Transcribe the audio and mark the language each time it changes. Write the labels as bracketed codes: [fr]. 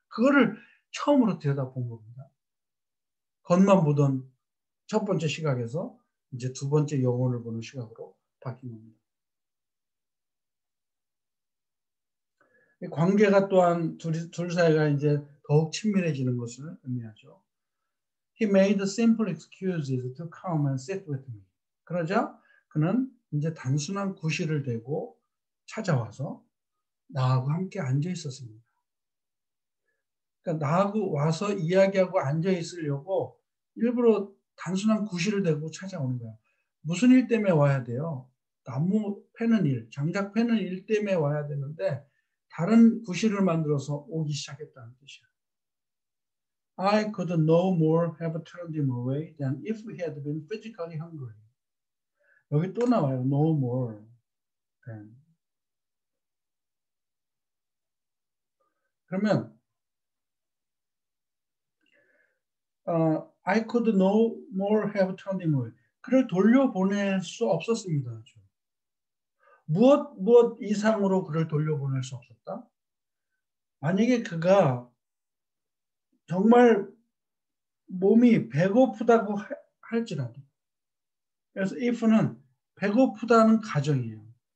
[ko] 그거를 처음으로 들여다본 겁니다. 겉만 보던 첫 번째 시각에서 이제 두 번째 영혼을 보는 시각으로 바뀐 겁니다. 관계가 또한 둘 사이가 이제 더욱 친밀해지는 것을 의미하죠. [en] He made simple excuses to come and sit with me. [ko] 그러자 그는 이제 단순한 구실을 대고 찾아와서 나하고 함께 앉아 있었습니다. 그러니까 나하고 와서 이야기하고 앉아 있으려고 일부러 단순한 구실을 대고 찾아오는 거야. 무슨 일 때문에 와야 돼요? 나무 패는 일, 장작 패는 일 때문에 와야 되는데 다른 구실을 만들어서 오기 시작했다는 뜻이야. [en] I could no more have turned him away than if he had been physically hungry. [ko] 여기 또 나와요. [en] No more than. 그러면 I could no more have turned him away. [ko] 그를 돌려보낼 수 없었습니다. 무엇 이상으로 그를 돌려보낼 수 없었다? 만약에 그가 정말 몸이 배고프다고 할지라도 그래서 if는 배고프다는 가정이에요.